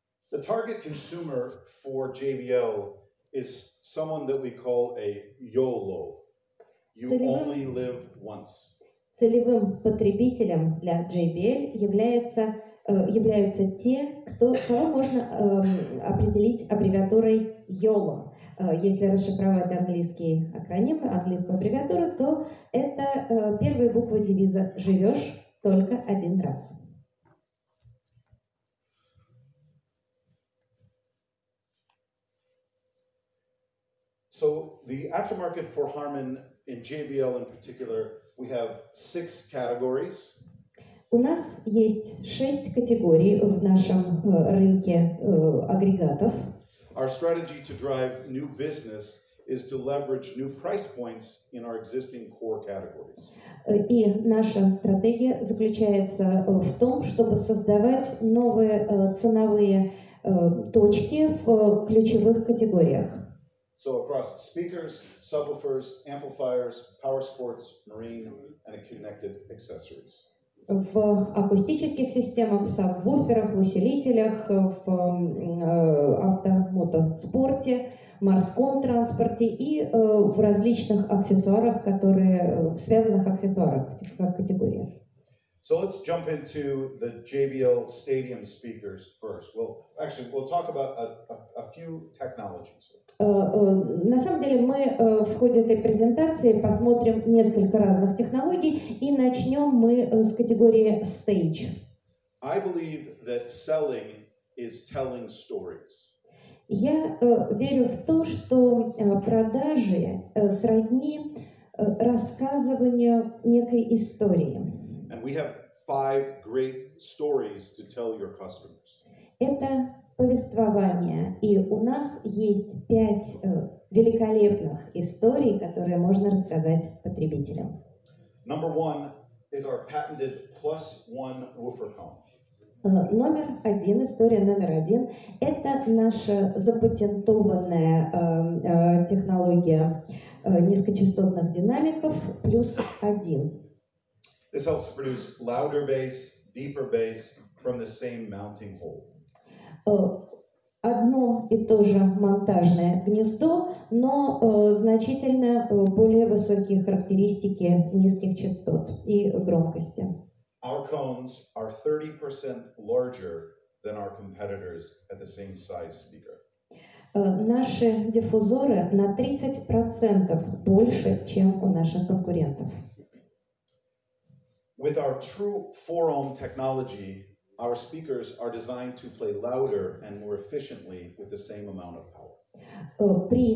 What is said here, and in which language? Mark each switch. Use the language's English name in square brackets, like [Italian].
[English] The target consumer for JBL is someone that we call a YOLO. You only live once. [Russian] Целевым потребителем для JBL являются те, кого можно определить аббревиатурой YOLO. Если расшифровать английский акроним, английскую аббревиатуру, то это первая буква девиза «Живешь только один раз». [English] So, the aftermarket for Harman in JBL in particular, we have six categories. [Russian] У нас есть шесть категорий в нашем рынке агрегатов. [English] Our strategy to drive new business is to leverage new price points in our existing core categories. [Russian] И наша стратегия заключается в том, чтобы создавать новые ценовые точки в ключевых категориях. [English] So across speakers, subwoofers, amplifiers, power sports, marine, and connected accessories. [Russian] В акустических системах, в сабвуферах, в усилителях, в автомотоспорте, морском транспорте и в различных аксессуарах, которые в связанных аксессуарах, в категориях. [English] So let's jump into the JBL Stadium speakers first. We'll talk about a few technologies. [Russian] На самом деле мы в ходе этой презентации посмотрим несколько разных технологий и начнем мы с категории Stage. [English] I believe that selling is telling stories. [Russian] Я верю в то, что продажи сродни рассказыванию некой истории. [English] And we have five great stories to tell your customers. [Russian] Это повествование, и у нас есть пять великолепных историй, которые можно рассказать потребителям. [English] Number one is our patented plus one woofer cone. [Russian] Номер один, история номер один, это наша запатентованная технология низкочастотных динамиков плюс один. [English] This helps produce louder bass, deeper bass from the same mounting hole. [Russian] Одно и то же монтажное гнездо, но значительно более высокие характеристики низких частот и громкости. [English] Our cones are 30% larger than our competitors at the same size speaker. [Russian] Наши диффузоры на 30% больше, чем у наших конкурентов. [English] With our true 4-ohm technology, our speakers are designed to play louder and more efficiently with the same amount of power.